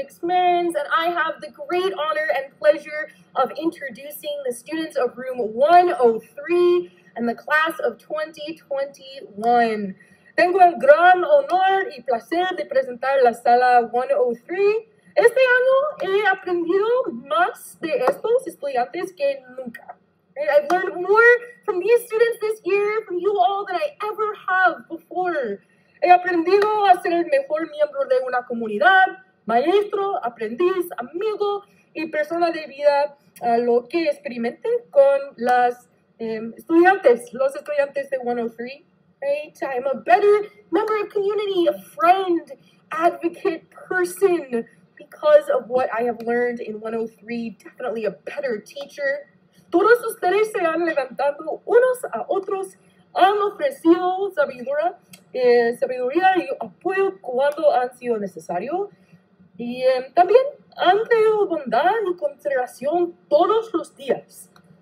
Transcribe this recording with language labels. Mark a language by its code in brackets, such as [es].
[en] and pleasure of introducing the students of room 103 and the class of 2021. [es] Tengo el gran honor y placer de presentar la sala 103. Este año he aprendido más de estos estudiantes que nunca. [en] I've learned more from these students this year, from you all, than I ever have before. [es] He aprendido a ser el mejor miembro de una comunidad, maestro, aprendiz, amigo y persona de vida, lo que experimenté con las estudiantes, los estudiantes de 103. [en] Right? I'm a better member of community, a friend, advocate, person, because of what I have learned in 103, definitely a better teacher. [es] Todos ustedes se han levantado unos a otros, han ofrecido sabiduría, sabiduría y apoyo cuando han sido necesario. Y también han tenido bondad y consideración todos los días.